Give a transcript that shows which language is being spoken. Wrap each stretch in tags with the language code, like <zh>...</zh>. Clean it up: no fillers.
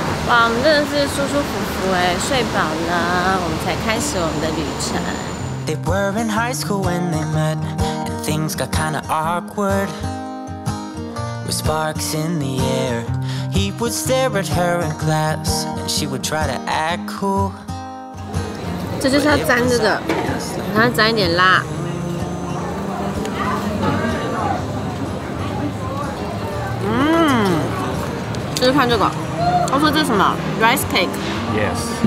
<zh>哇，我们真的是舒舒服服哎，睡饱了，我们才开始我们的旅程。</zh> <en>They were in high school when they met, and things got kinda awkward. With sparks in the air, he would stare at her in class, and she would try to act cool.</en> <zh>这就是要沾这个，然后沾一点辣。嗯，试试看这个。他说这是什么 ？</zh> <en>Rice cake. Yes.</en>